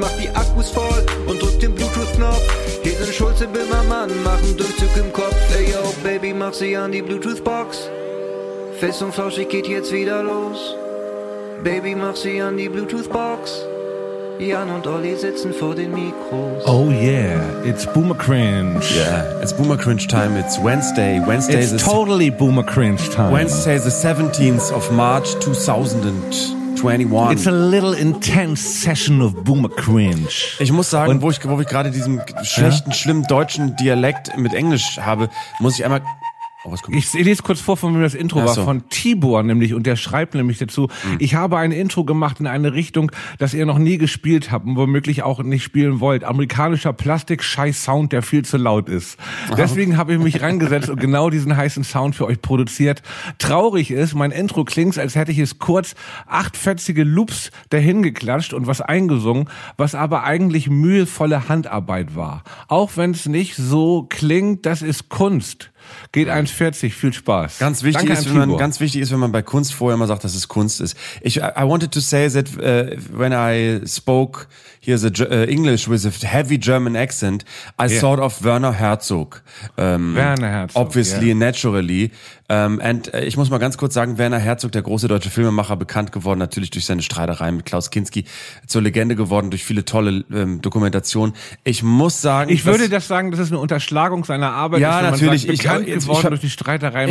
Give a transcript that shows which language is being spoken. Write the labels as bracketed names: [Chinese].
[German] Mach die Akkus voll und drück den Bluetooth-Knopf. Hier sind Schulze, Böhmermann, machen Durchzug im Kopf. [English] Ey yo, Baby, [German] mach sie an die Bluetooth-Box. Fest und flauschig geht jetzt wieder los. Baby, mach sie an die Bluetooth-Box. Jan und Olli sitzen vor den Mikros. [English] Oh yeah, it's Boomer Cringe. Yeah, it's Boomer Cringe time, it's Wednesday. Wednesday it's is totally Boomer Cringe time. Wednesday is the 17th of March 2021. It's a little intense session of Boomer Cringe. [German] Ich muss sagen, und, wo ich gerade diesen schlechten, ja? schlimmen deutschen Dialekt mit Englisch habe, muss ich einmal... Oh, was kommt? Ich lese kurz vor, von mir das Intro war, von Tibor nämlich, und der schreibt nämlich dazu, ich habe ein Intro gemacht in eine Richtung, das ihr noch nie gespielt habt und womöglich auch nicht spielen wollt. Amerikanischer Plastik-Scheiß-Sound, der viel zu laut ist. Deswegen habe ich mich reingesetzt und genau diesen heißen Sound für euch produziert. Traurig ist, mein Intro klingt, als hätte ich es kurz 8-fetzige Loops dahin geklatscht und was eingesungen, was aber eigentlich mühevolle Handarbeit war. Auch wenn es nicht so klingt, das ist Kunst. Geht 1,40, viel Spaß. Ganz wichtig, danke, ist, wenn man, ganz wichtig ist, wenn man bei Kunst vorher mal sagt, dass es Kunst ist. [English] I wanted to say that when I spoke here the English with a heavy German accent, I thought of Werner Herzog. Werner Herzog. Obviously, naturally. [German] Ich muss mal ganz kurz sagen, Werner Herzog, der große deutsche Filmemacher, bekannt geworden natürlich durch seine Streitereien mit Klaus Kinski, zur Legende geworden durch viele tolle Dokumentationen. Ich muss sagen, das ist eine Unterschlagung seiner Arbeit. Ja, ist, natürlich. Sagt, bekannt geworden durch die Streitereien.